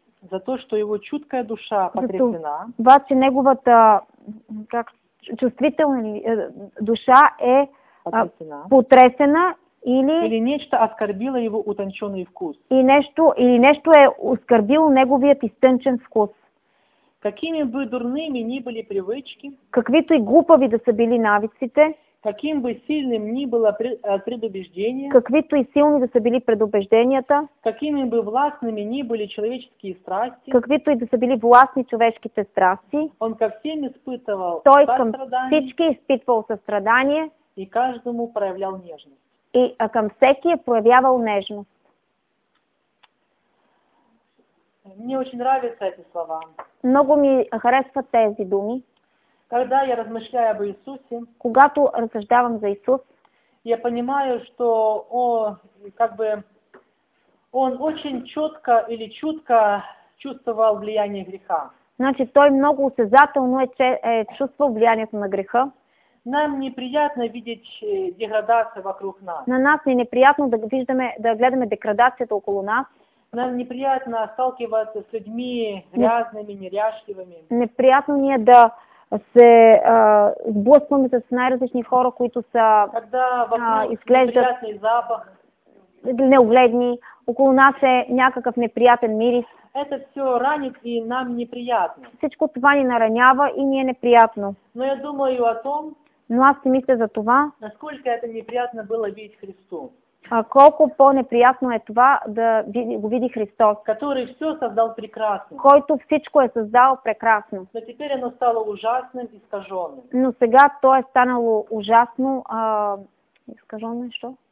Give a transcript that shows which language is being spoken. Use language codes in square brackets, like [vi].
[ru] За то, что его чуткая душа потрясена. [bg] За това, че неговата как чувствителна душа е потресена [ru] или нечто оскорбило его утонченный вкус. [bg] Или нещо е оскърбило неговият изтънчен вкус. [ru] Какими бы дурными ни были привычки, [bg] каквито и глупави да са били навиците, [ru] каким бы сильным ни было предубеждение, [bg] каквито и силни да са били предубежденията, [ru] какими бы властными ни были человеческие страсти, [bg] каквито и да са били властни човешките страсти, [ru] он ко всем испытывал [bg] той към всички изпитвал състрадание [ru] и каждому проявлял нежность. [bg] А към всеки е проявявал нежност. [ru] Мне очень нравятся эти слова. [bg] Много ми харесват тези думи. [ru] Когда я размышляю об Иисусе, [bg] когато разсъждавам за Исус, [ru] я понимаю, что он очень четко или чутко чувствовал влияние греха. [bg] Значи той много осезателно е чувствал влиянието на греха. [ru] Нам неприятно видеть деградацию вокруг нас. [bg] На нас не неприятно да виждаме, да гледаме деградацията около нас. [ru] Нам неприятно сталкиваться с людьми грязными, неряшливыми. [bg] Неприятно ни да се сблъскваме с най-различни хора, които са изглеждат [ru] неприятни запах, [bg] неугледни. Около нас е някакъв неприятен мирис. [ru] Это все ранит и нам неприятно. [bg] Всичко това ни наранява и ни е неприятно. [ru] Но я думаю о том, [bg] но аз си мисля за това, [ru] насколько это неприятно было видеть Христу. [bg] А колко по-неприятно е това да го види Христос, който всичко е създал прекрасно. Който всичко е създал прекрасно. [ru] Но теперь оно стало ужасным и искажённым. [bg] Но сега то е станало ужасно, искажённо что?